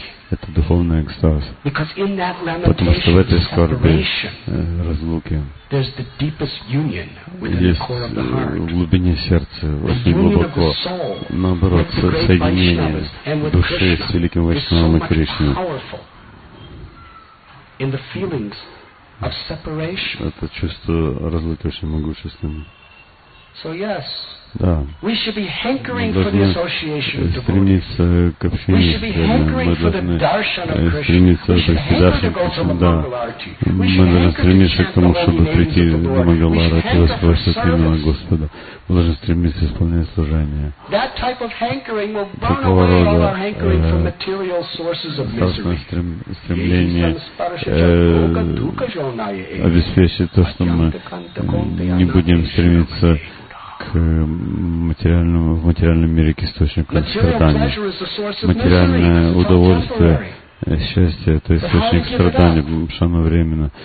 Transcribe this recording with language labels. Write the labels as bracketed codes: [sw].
[ru] Это духовный экстаз. Потому что в этой скорби разлуки есть в глубине сердца, очень глубоко, наоборот, соединение души с великим Вайшнавом и Кришной. Это чувство разлуки очень могущественно. [en] So yes. [ru] Да. [en] We should be hankering for the association of devotees. We should be hankering for the darshan of Krishna. We should hanker to go to the Mangalarti. We should hanker to chant the holy names of the Lord. We should hanker to serve the Lord. We should hanker to serve the Lord. We should hanker to serve the Lord. That type of hankering will burn away all our hankering for material sources of misery. [ru] Страстное стремление обеспечит то, что мы не будем стремиться к материальному, в материальном мире к источнику страданий. Материальное удовольствие, счастье — это источник страданий, шано временно.